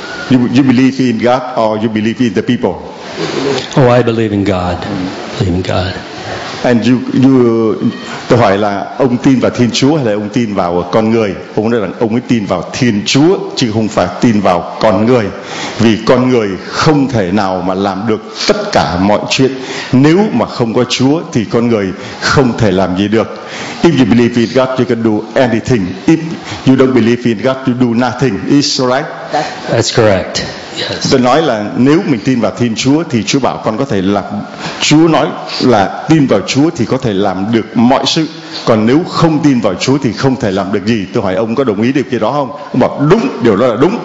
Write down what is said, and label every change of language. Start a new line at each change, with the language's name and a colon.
English: You believe in God or you believe in the people? Oh, I believe in God. Believe in God. And you
Vietnamese: tôi hỏi là ông tin vào Thiên Chúa hay là ông tin vào con người? Ông nói rằng ông ấy tin vào Thiên Chúa chứ không phải tin vào con người, vì con người không thể nào mà làm được tất cả mọi chuyện. Nếu mà không có Chúa thì con người không thể làm gì được.
English: If you believe in God, you can do anything. If you don't believe in God, you do nothing. Is that right? That's correct. Yes.
Vietnamese: Tôi nói là nếu mình tin vào Thiên Chúa thì Chúa bảo con có thể làm. Chúa nói là tin vào Chúa thì có thể làm được mọi sự, còn nếu không tin vào Chúa thì không thể làm được gì. Tôi hỏi ông có đồng ý điều kia đó không? Ông bảo đúng, điều đó là đúng.